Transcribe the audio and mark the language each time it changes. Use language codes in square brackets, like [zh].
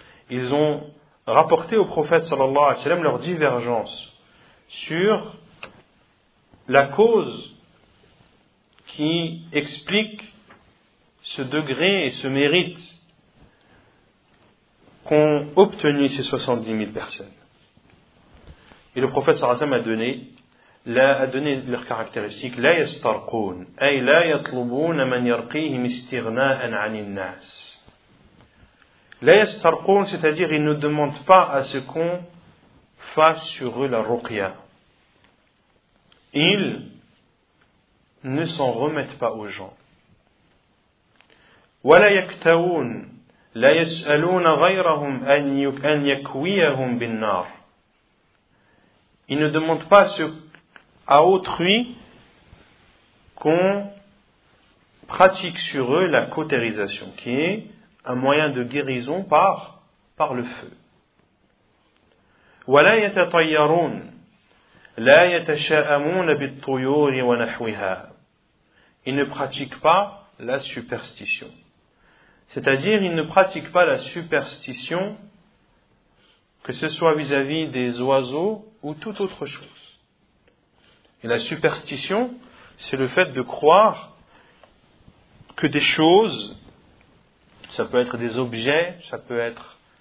[fr] Ils ont rapporté au prophète sallallahu alayhi wa sallam leur divergence sur la cause qui explique ce degré et ce mérite qu'ont obtenu ces 70 000 personnes. Et le prophète sallallahu alayhi wa sallam a donné leurs caractéristiques. [ar] لا يسترقون أي لا يطلبون من يرقيهم استغناء عن الناس. لا يسترقون, [fr] c'est-à-dire ils ne demandent pas à ce qu'on fasse sur eux la ruqya. Ils ne s'en remettent pas aux gens. [ar] ولا يكتوون لا يسألون غيرهم أن يكويهم بالنار. [fr] Ils ne demandent pas à autrui qu'on pratique sur eux la cautérisation, qui est un moyen de guérison par le feu. [ar] ولا يتطيرون لا يتشاءمون بالطيور ونحوها. [fr] Ils ne pratiquent pas la superstition. C'est-à-dire, ils ne pratiquent pas la superstition, que ce soit vis-à-vis des oiseaux ou toute autre chose. Et la superstition, c'est le fait de croire que des choses, ça peut être des objets, ça peut être